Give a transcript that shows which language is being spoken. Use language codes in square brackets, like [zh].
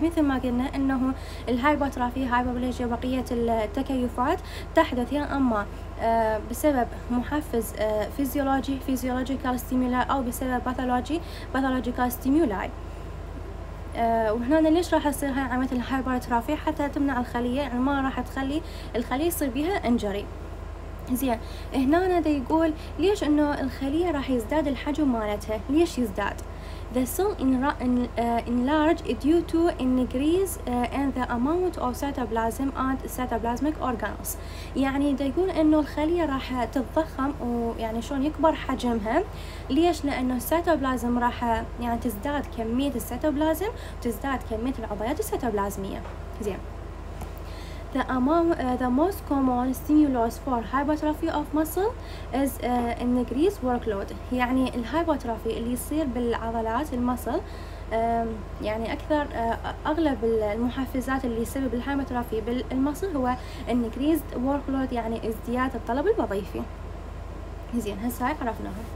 [ar] مثل ما قلنا انه الهايبرترافي هايبرپلاجيا بقية التكيفات تحدث يا اما بسبب محفز فيزيولوجي physiological stimuli او بسبب pathological stimuli. وهنا ليش راح تصير هاي عملية الهايبرترافي؟ حتى تمنع الخلية، يعني ما راح تخلي الخلية يصير بها انجري. زين هنا دا يقول ليش انه الخلية راح يزداد الحجم مالتها؟ ليش يزداد؟ [en] The cell enlarge due to increase in the amount of cytoplasm and cytoplasmic organelles. [ar] يعني دا يقول انه الخلية راح تتضخم ويعني شلون يكبر حجمها. ليش؟ لانه السيتوبلازم راح يعني تزداد كمية السيتوبلازم وتزداد كمية العضيات السيتوبلازمية. [en] زين the most common stimulus for hypertrophy of muscle is increased workload. [ar] يعني الهايبرتروفي اللي يصير بالعضلات المسل يعني اكثر اغلب المحفزات اللي يسبب الهايبرتروفي بالمسل هو increased workload يعني ازدياد الطلب الوظيفي. زين هسه هاي عرفناها.